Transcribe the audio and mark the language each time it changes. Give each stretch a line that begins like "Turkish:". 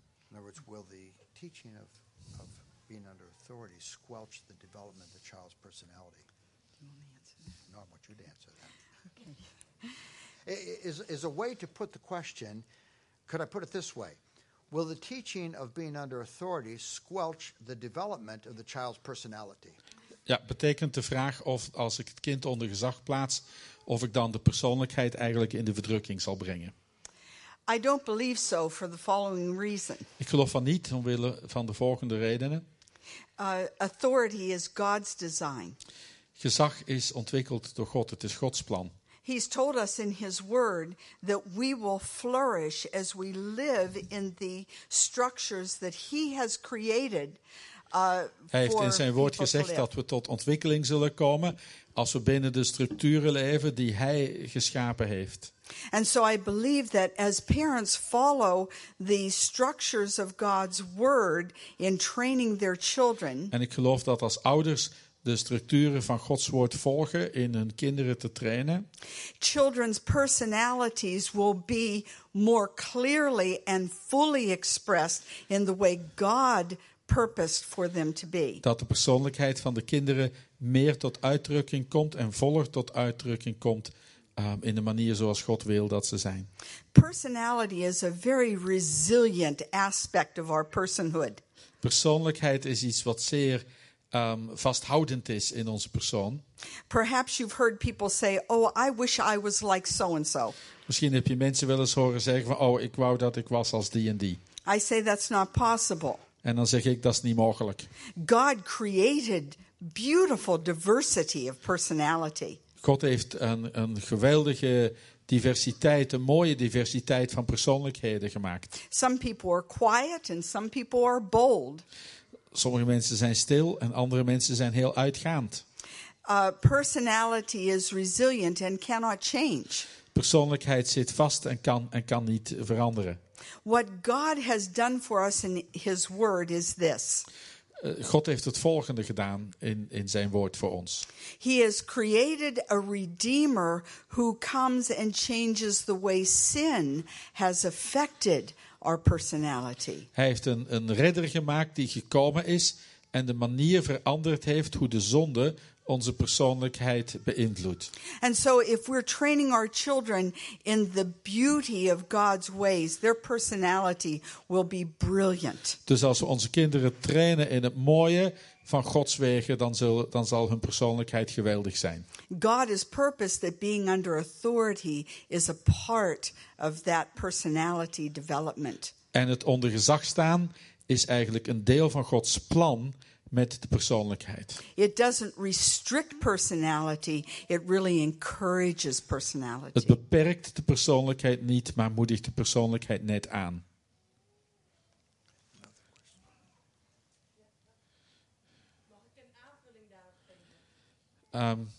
English: In other words, will the teaching of being under authority squelch the development of the child's personality? You want me to answer that? No, I want you to answer that. Okay. Is a way to put the question, could I put it this way? Will the teaching of being under authority squelch the development of the child's personality?
Dutch: Ja, betekent de vraag of als ik het kind onder gezag plaats, of ik dan de persoonlijkheid eigenlijk in de verdrukking zal brengen?
English: I don't believe so for the following reason.
Dutch: Ik geloof van niet, omwille van de volgende redenen.
English: Authority is God's design.
Dutch: Gezag is ontwikkeld door God, het is Gods plan.
English: He's told us in his word that we will flourish as we live in the structures that he has created.
Dutch: Hij heeft in zijn woord gezegd dat we tot ontwikkeling zullen komen als we binnen de structuren leven die hij geschapen heeft.
English: And so I believe that as parents follow the structures of God's word in training their children.
Dutch: En ik geloof dat als ouders de structuren van Gods woord volgen in hun kinderen te trainen.
English: Children's personalities will be more clearly and fully expressed in the way God purposed for them to be.
Dutch: Dat de persoonlijkheid van de kinderen meer tot uitdrukking komt en voller tot uitdrukking komt in de manier zoals God wil dat ze zijn.
English: Personality is a very resilient aspect of our personhood.
Dutch: Persoonlijkheid is iets wat zeer vasthoudend is in onze persoon.
English: Perhaps you've heard people say, "Oh, I wish I was like so and so."
Dutch: Misschien heb je mensen wel eens horen zeggen van, "Oh, ik wou dat ik was als die en die."
English: I say that's not possible.
Dutch: En dan zeg ik, dat is niet mogelijk.
English: God created beautiful diversity of personality.
Dutch: God heeft een geweldige diversiteit, een mooie diversiteit van persoonlijkheden gemaakt.
English: Some people are quiet and some people are bold.
Dutch: Sommige mensen zijn stil en andere mensen zijn heel uitgaand.
English: Personality is resilient and cannot change.
Dutch: Persoonlijkheid zit vast en kan niet veranderen.
English: What God has done for us in his word is this.
Dutch: God heeft het volgende gedaan in zijn woord voor ons.
English: He has created a redeemer who comes and changes the way sin has affected our personality.
Dutch: Hij heeft een redder gemaakt die gekomen is en de manier veranderd heeft hoe de zonde onze persoonlijkheid beïnvloedt.
English: And so if we're training our children in the beauty of God's ways, their personality will be brilliant.
Dutch: Dus als we onze kinderen trainen in het mooie van Gods wegen, dan zal hun persoonlijkheid geweldig zijn.
English: God has purposed that being under authority is a part of that personality development.
Dutch: En het onder gezag staan is eigenlijk een deel van Gods plan met de persoonlijkheid.
English: It doesn't restrict personality, it really encourages personality.
Dutch: Het beperkt de persoonlijkheid niet, maar moedigt de persoonlijkheid net aan. Mag ik een aanvulling daarop geven?